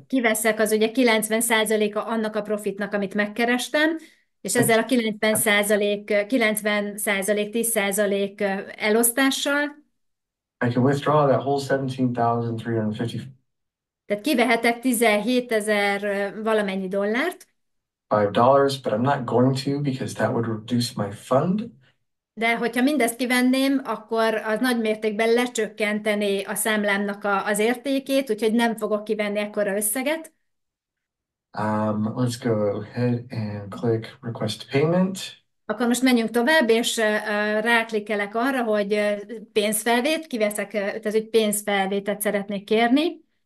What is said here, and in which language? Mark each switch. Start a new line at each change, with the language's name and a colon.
Hungarian: kiveszek, az ugye 90%-a annak a profitnak, amit megkerestem, és ezzel a 90%, 10% elosztással.
English: I can withdraw that whole 17,350.
Hungarian: Tehát kivehetek 17 000 valamennyi dollárt.
English: $5, but I'm not going to because that would reduce my fund.
Hungarian: De hogyha mindezt kivenném, akkor az nagy mértékben lecsökkenteni a számlámnak az értékét, úgyhogy nem fogok kivenni ekkora összeget.
English: Let's go ahead and click request payment.
Hungarian: Akkor most menjünk tovább, és ráklikkelek arra, hogy pénzfelvét kiveszek, tehát egy pénzfelvételt szeretnék kérni.